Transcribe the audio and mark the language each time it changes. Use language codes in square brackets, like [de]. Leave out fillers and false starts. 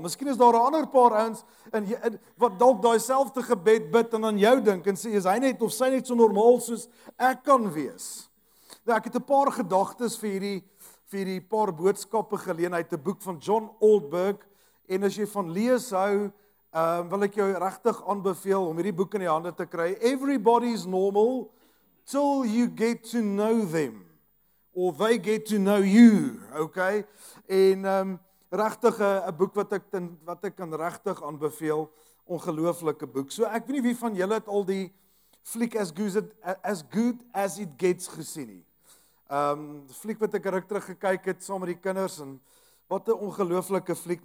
[af] Miskien is daar 'n ander paar ouens in wat dalk daai selfde gebed bid en aan jou dink en sê, is hy net of sy net so normaal soos ek kan wees? Nou, ek het 'n paar gedagtes vir hierdie paar boodskappe geleen uit 'n boek van John Oldberg en as jy van lees hou, wil ek jou regtig aanbeveel om hierdie boek in die hande te kry. [en] Everybody's normal till you get to know them, or they get to know you, okay? [af] En regtig 'n boek wat ek kan regtig aanbeveel, ongelooflike boek. So ek weet nie wie van julle het al die fliek As Good As It Gets gesien nie. Fliek wat ek ruk terug gekyk het saam met die kinders en wat 'n ongelooflike fliek.